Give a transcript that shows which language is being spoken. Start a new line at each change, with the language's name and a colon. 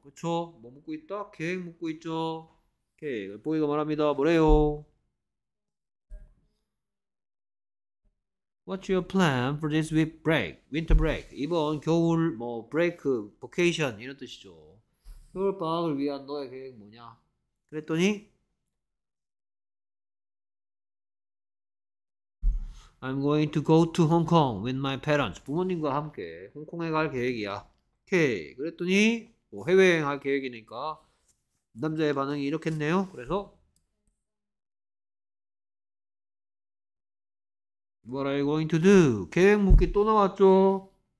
Korean: 그쵸? 뭐 묻고 있다? 계획 묻고 있죠. 오케이. 보이가 말합니다. 뭐래요?
English: What's your plan for this week break? Winter break.
Korean: 이번 겨울 뭐
English: break, vacation
Korean: 이런 뜻이죠. 겨울 방학을 위한 너의 계획 뭐냐? 그랬더니
English: I'm going to go to Hong Kong with my parents.
Korean: 부모님과 함께 홍콩에 갈 계획이야. 오케이. 그랬더니 뭐 해외여행 할 계획이니까 남자의 반응이 이렇겠네요. 그래서
English: What are you going to do?
Korean: 계획 묻기 또 나왔죠?